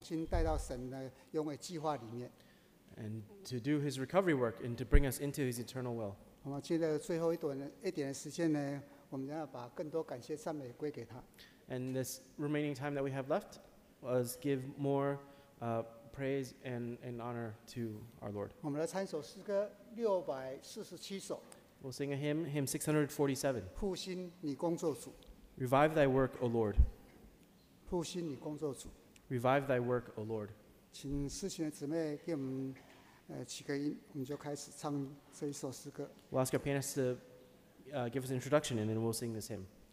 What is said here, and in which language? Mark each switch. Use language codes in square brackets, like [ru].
[zh] 新带到神的永远计划里面。 [en] And to do His recovery work and to bring us into His eternal will. [zh] 我们接着最后一点的时间呢，我们要把更多感谢赞美归给他。 [en] And this remaining time that we have left was give more praise and honor to our Lord. [zh] 我们来唱一首诗歌，647首。 [en] We'll sing a hymn 647. [zh] 复兴你工作主。 [en] Revive thy work, O Lord. [zh] 复兴你工作主。 [en] Revive thy work, O Lord. [zh] 请四旬的姊妹给我们起个音，我们就开始唱这一首诗歌。 [en] We'll ask our pianist to give us an introduction and then we'll sing this hymn.